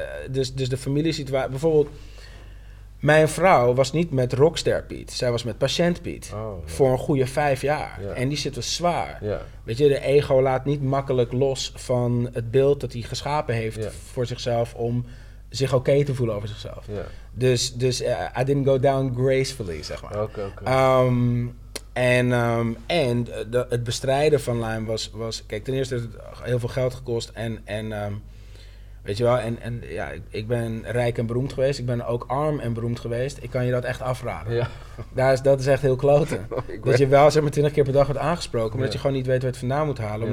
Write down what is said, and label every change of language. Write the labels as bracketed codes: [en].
[nl] Dus de familiesituatie, bijvoorbeeld. Mijn vrouw was niet met rockster Piet. Zij was met patiënt Piet. Oh, ja. Voor een goede 5 jaar. Ja. En die zit wel zwaar. Ja. Weet je, de ego laat niet makkelijk los van het beeld dat hij geschapen heeft voor zichzelf om zich oké te voelen over zichzelf. Ja. [en] Dus I didn't go down gracefully, [nl] zeg maar. [en] Okay. [nl] Het bestrijden van Lyme was... Kijk, ten eerste heeft het heel veel geld gekost weet je wel, ik ben rijk en beroemd geweest. Ik ben ook arm en beroemd geweest. Ik kan je dat echt afraden. Ja. Dat is echt heel kloten. Dat je wel zeg maar 20 keer per dag wordt aangesproken, omdat je gewoon niet weet waar het vandaan moet halen. Ja.